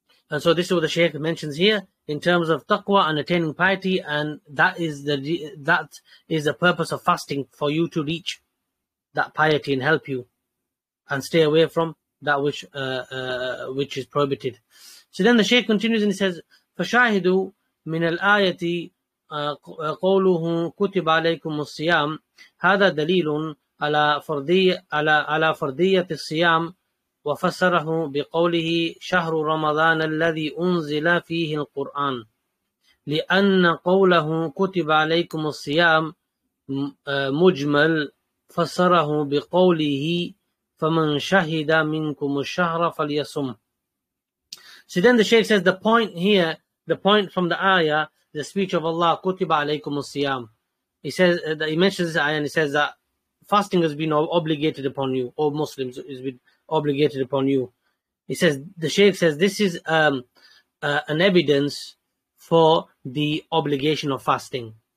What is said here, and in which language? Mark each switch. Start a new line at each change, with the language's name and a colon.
English: And so this is what the Shaykh mentions here in terms of taqwa and attaining piety, and that is the purpose of fasting, for you to reach that piety and help you and stay away from that which is prohibited. So then the Shaykh continues and he says,
Arabic: فَشَاهِدُوا مِنَ الْآيَةِ قَوْلُهُ كُتِبَ عَلَيْكُمُ الصِّيَامِ هَذَا دَلِيلٌ عَلَى فَرْضِيَةِ الصِّيَامِ وَفَسَرَهُ بِقَوْلِهِ شَهْرُ رَمَضَانَ الَّذِي أُنزِلَ فِيهِ الْقُرْآنِ لِأَنَّ قَوْلَهُ كُتِبَ عَلَيْكُمُ الصِّيَامِ مُجْمَلْ فَسَرَهُ بِقَوْلِهِ فَمَنْ شَهِدَ مِنْكُمُ الشَّهْرَ فَلْيَصُمْ.
English: So then the Shaykh says the point here, the point from the ayah, the speech of Allah,
Arabic: كُتِبَ عَلَيْكُمُ الصِّيَامِ,
English: he says that, he mentions this ayah and he says that fasting has been obligated upon you, all Muslims, has been obligated upon you. He says, the Shaykh says, this is an evidence for the obligation of fasting.